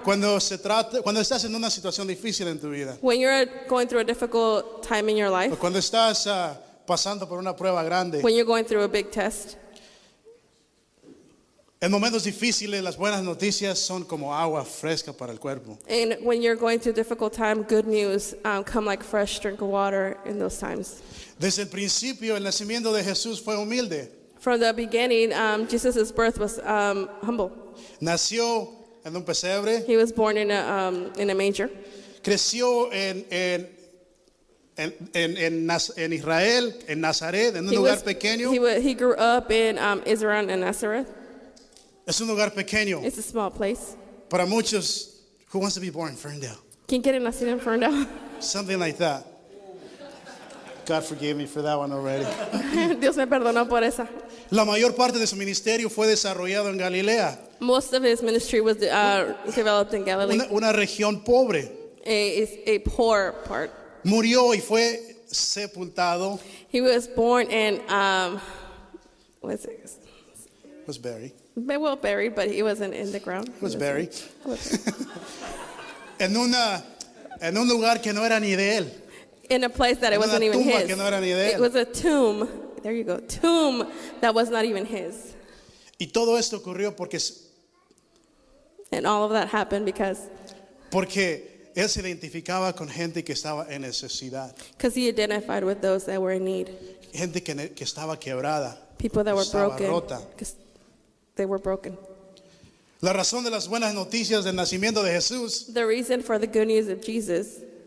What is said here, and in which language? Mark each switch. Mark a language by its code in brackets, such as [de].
[es] Cuando se trata, cuando estás en una situación difícil en tu vida. [en] When you're going through a difficult time in your life. [es] O cuando estás pasando por una prueba grande. [en] When you're going through a big test. [es] En momentos difíciles, las buenas noticias son como agua fresca para el cuerpo. [en] And when you're going through a difficult time, good news come like fresh drink of water in those times. [es] Desde el principio, el nacimiento de Jesús fue humilde. [en] From the beginning, Jesus' birth was humble. [es] Nació en un pesebre. [en] He was born in a manger. [es] Creció en Israel, en Nazaret, en un lugar pequeño. [en] He grew up in Israel and Nazareth. [es] Es un lugar pequeño. [en] It's a small place. [es] Para muchos, [en] who wants to be born in Ferndale? [es] ¿Quién quiere nacer en Ferndale? [en] Something like that. God forgave me for that one already. [es] Dios me perdonó por esa. La mayor parte de su ministerio fue desarrollado en Galilea. [en] Most of his ministry was developed in Galilee. [es] Una región pobre. [en] A poor part. [es] Murió y fue sepultado. [en] He was born and was buried. Well, buried, but he wasn't in the ground. It was buried. [es] En un lugar que no era ni de él. [en] In a place that it wasn't even his. [es] Que no era ni de él. [en] It was a tomb. There you go. Tomb that was not even his. [es] Y todo esto ocurrió porque. [en] And all of that happened because. [es] Porque él se identificaba con gente que estaba en necesidad. [en] Because he identified with those that were in need. [es] Gente que estaba quebrada. [en] People that were broken. [es] Rota. [en] They were broken. [es] La razón de las buenas noticias del nacimiento de Jesús. [en] The reason for the good news of Jesus.